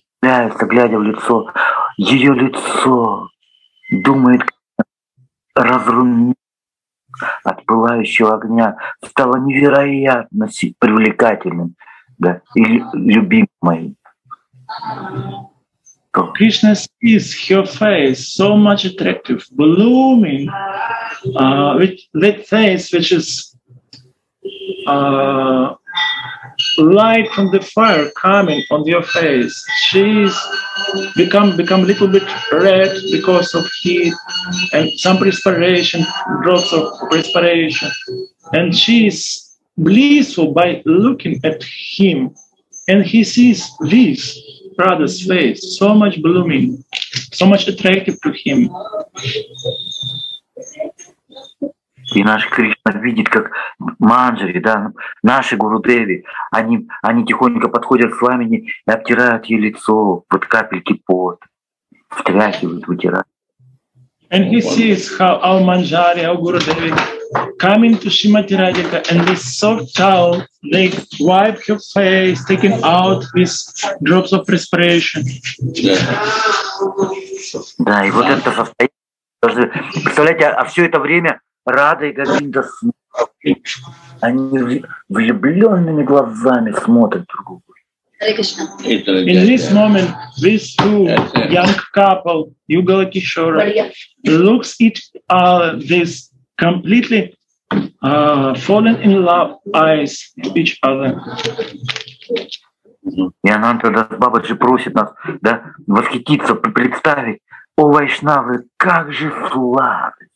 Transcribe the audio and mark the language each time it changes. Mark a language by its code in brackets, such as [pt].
[ru] Да, глядя в лицо, ее лицо думает, разрумить от пылающего огня, стало невероятно привлекательным, да, и любимой. [en] Krishna sees her face so much attractive, blooming, with that face which is light from the fire coming on your face. She's become a little bit red because of heat and some perspiration, drops of perspiration. And she's blissful by looking at him. And he sees this brother's face, so much blooming, so much attractive to him. [ru] И наш Кришна видит, как манджари, да, наши гурудеви, они тихонько подходят к сламени и обтирают ей лицо, вот капельки пот, встряхивают, вытирают. [en] And he sees how our manjari, our gurudevi, coming to Srimati Radhika, and this soft towel, they wipe her face, taking out these drops of perspiration. [ru] Да, и вот это состояние, представляете, а все это время Рада и Говинда смотрят. Они влюбленными глазами смотрят друг друга. [en] In this moment, these two young couple, Yugala Kishora, looks each other, this completely fallen in love eyes to each other. [ru] И Ананта Бабаджи просит нас, да, восхититься, представить, о, вайшнавы, как же славы!